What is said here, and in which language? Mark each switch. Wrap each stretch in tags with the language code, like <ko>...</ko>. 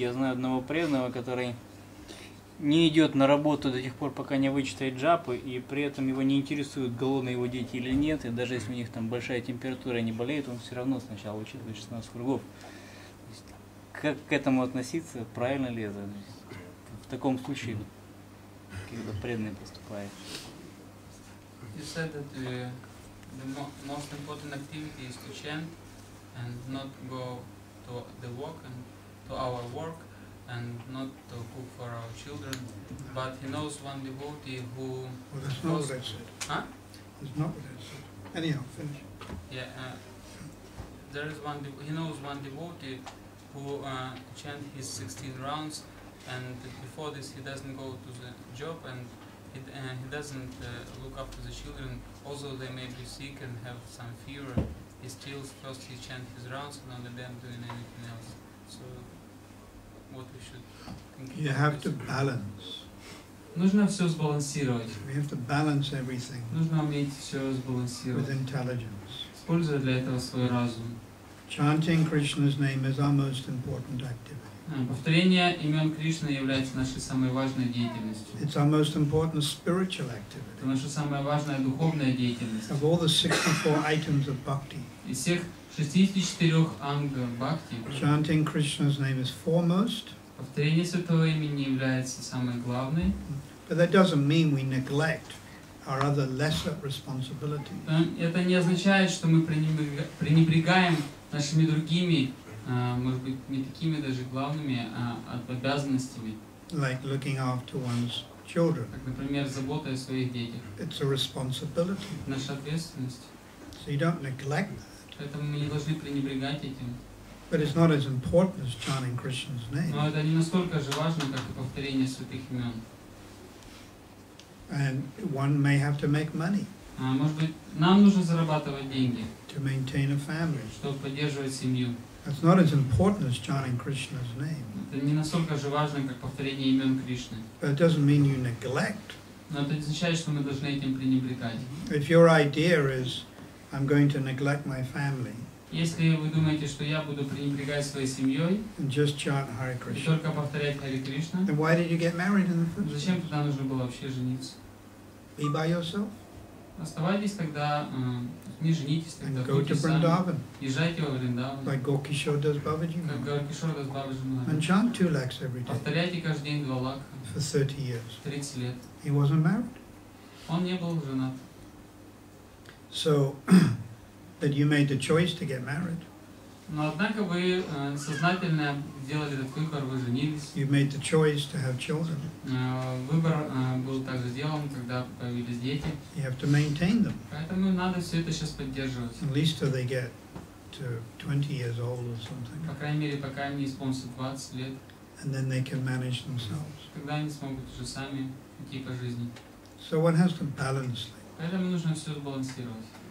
<ru>Я знаю одного преданного, который не идет на работу до тех пор, пока не вычитает джапы, и при этом его не интересуют, голодные его дети или нет, и даже если у них там большая температура, они болеют, он все равно сначала учитывает 16 кругов. То есть, как к этому относиться, правильно ли это? В таком случае, когда преданный поступает.</ru> <en>You said that the most important activity is to chant and not go to the work and to our work and not to cook for our children. But he knows one devotee who. Well, that's not what I said. Huh? That's not what I said. Anyhow, finish. Yeah. There is one. He knows one devotee who chant his 16 rounds, and before this he doesn't go to the job and. He doesn't look after the children, although they may be sick and have some fever. He still first he chants his rounds and only then doing anything else. So, what we should think you about have to balance.</en> <ru>Нужно все сбалансировать.</ru> <en>We have to balance everything.</en> <ru>Нужно уметь все сбалансировать.</ru> <en>With intelligence.</en> <ru>Используя для этого свой разум.</ru> <en>Chanting Krishna's name is our most important activity.</en> <ru>Повторение имен Кришны является нашей самой важной деятельностью.</ru> <en>It's our most important spiritual activity.</en> <ru>Это наша самая важная духовная деятельность.</ru> <en>Of all the 64 items of bhakti.</en> <ru>Из всех 64 анг бхакти.</ru> <en>Chanting Krishna's name is foremost.</en> <ru>Повторение святого имени является самой главной.</ru> <en>But that doesn't mean we neglect our other lesser responsibilities.</en> <ru>Это не означает, что мы пренебрегаем нашими другими может быть, не такими даже главными, а обязанностями.</ru> <en>Like looking after one's children.</en> <ru>Как, например, забота о своих детях.</ru> <en>It's a responsibility.</en> <ru>Наша ответственность.</ru> <en>So you don't neglect that.</en> <ru>Поэтому мы не должны пренебрегать этим.</ru> <en>But it's not as important as chanting Krishna's name.</en> <ru>Но это не настолько же важно, как и повторение святых имен.</ru> <en>And one may have to make money.</en> <ru>Может быть, нам нужно зарабатывать деньги.</ru> <en>To maintain a family.</en> <ru>Чтобы поддерживать семью.</ru> <en>It's not as important as chanting Krishna's name.</en> <ru>Это не настолько же важно, как повторение имен Кришны.</ru> <en>But it doesn't mean you neglect.</en> <ru>Но это означает, что мы должны этим пренебрегать.</ru> <en>If your idea is, I'm going to neglect my family.</en> <ru>Если вы думаете, что я буду пренебрегать своей семьей.</ru> <en>And just chant Hare Krishna.</en> <ru>И только повторять Hare Krishna.</ru> <en>Then why did you get married in the first place?</en> <ru>Зачем тогда нужно было вообще жениться?</ru> <en>Be by yourself.</en> <ru>Оставайтесь тогда, не женитесь тогда, будьте сами, езжайте во Вриндаван,</ru> <en>like Gorky Shore does Babaji,</en> <ru>как Gorky Shore does Babaji Maharaj,</ru> <en>and chant two lakhs every day.</en> <ru>Повторяйте каждый день два лакха.</ru> <en>For 30 years.</en> <ru>30 лет.</ru> <en>He wasn't married.</en> <ru>Он не был женат.</ru> <en>So, that you made the choice to get married.</en> <ru>Но однако вы сознательно сделали этот выбор, вы женились.</ru> <en>You made the choice to have children.</en> <ru>Выбор был также сделан, когда появились дети.</ru> <en>You have to maintain them.</en> <ru>Поэтому надо все это сейчас поддерживать.</ru> <en>At least till they get to 20 years old or something.</en> <ru>По крайней мере, пока им не исполнится 20 лет.</ru> <en>And then they can manage themselves.</en> <ru>Когда они смогут уже сами идти по жизни.</ru> <en>So one has to balance things.</en> <ru>Поэтому нужно все сбалансировать.</ru>